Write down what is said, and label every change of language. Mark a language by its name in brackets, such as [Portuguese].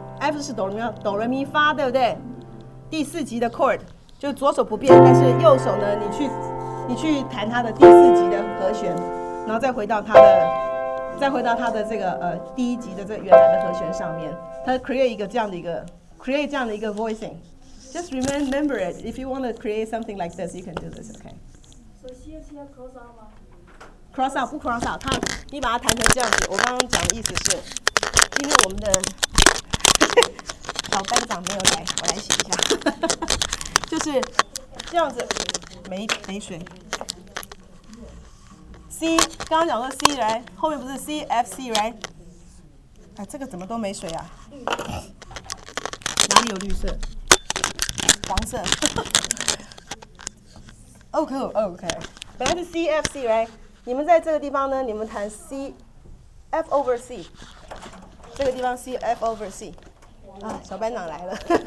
[Chinese] F 是哆来咪发，对不对？第四级的 chord 就左手不变，但是右手呢，你去弹它的第四级的和弦，然后再回到它的这个第一级的这原来的和弦上面，它 create 这样的一个 voicing。 [English] Just remember it. If you want to create something like this, you can do this. Okay. So [Chinese] cross out 吗 ？Cross out 不 cross out， 你把它弹成这样子。我刚刚讲的意思是，因为我们的老班长没有来，我来写一下，就是这样子。没水。 C， 刚刚讲过 C， right？ 后面不是 C F C， right？哎，这个怎么都没水啊？哪里有绿色？黄色OK OK， 本来是 C F C， right？你们在这个地方呢，你们弹 C F over C， 这个地方 C F over C， 啊，小班长来了，